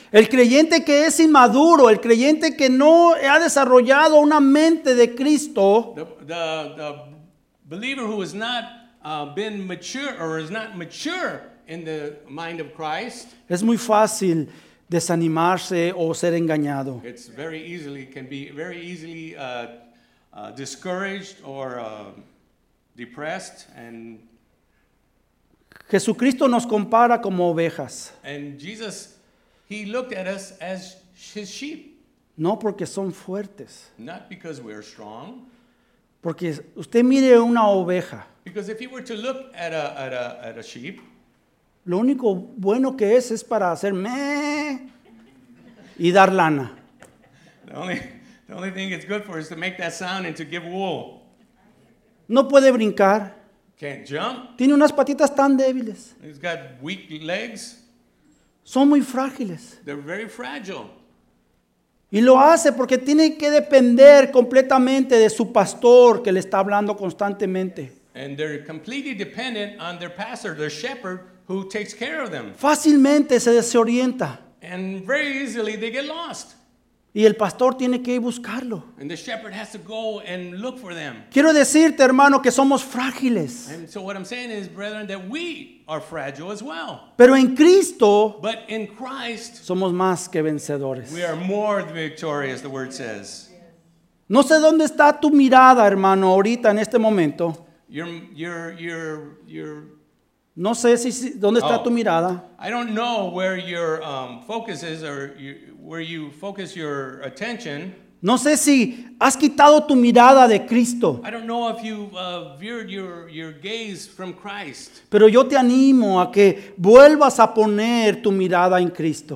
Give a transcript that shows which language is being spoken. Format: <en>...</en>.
<es>el creyente que es inmaduro, el creyente que no ha desarrollado una mente de Cristo,</es> <en>the believer who has not been mature or is not mature in the mind of Christ,</en> <es>es muy fácil desanimarse o ser engañado.</es> <en>It's very easily can be very easily discouraged or depressed, and</en> <es>Jesucristo nos compara como ovejas.</es> <en>And Jesus, he looked at us as his sheep.</en> <es>No porque son fuertes.</es> <en>Not because we're strong.</en> <es>Porque usted mire una oveja.</es> <en>Because if you were to look at a sheep,</en> <es>lo único bueno que es para hacer meh y dar lana.</es> <en>The only thing it's good for is to make that sound and to give wool.</en> <es>No puede brincar.</es> <en>Can't jump.</en> <es>Tiene unas patitas tan débiles.</es> <en>He's got weak legs.</en> <es>Son muy frágiles.</es> <en>They're very fragile.</en> <es>Y lo hace porque tiene que depender completamente de su pastor que le está hablando constantemente.</es> <en>And they're completely dependent on their pastor, their shepherd, who takes care of them.</en> <es>Fácilmente se desorienta.</es> <en>And very easily they get lost.</en> <es>Y el pastor tiene que ir buscarlo.</es> <en>And the shepherd has to go and look for them.</en> <es>Quiero decirte, hermano, que somos frágiles.</es> <en>And so what I'm saying is, brethren, that we are fragile as well.</en> <es>Pero en Cristo,</es> <en>but in Christ,</en> <es>somos más que vencedores.</es> <en>We are more victorious, the word says.</en> <es>No sé dónde está tu mirada, hermano, ahorita en este momento. No sé si dónde está tu mirada.</es> <en>I don't know where your focus is or where you focus your attention.</en> <es>No sé si has quitado tu mirada de Cristo.</es> <en>I don't know if you've veered your gaze from Christ.</en> <es>Pero yo te animo a que vuelvas a poner tu mirada en Cristo.</es>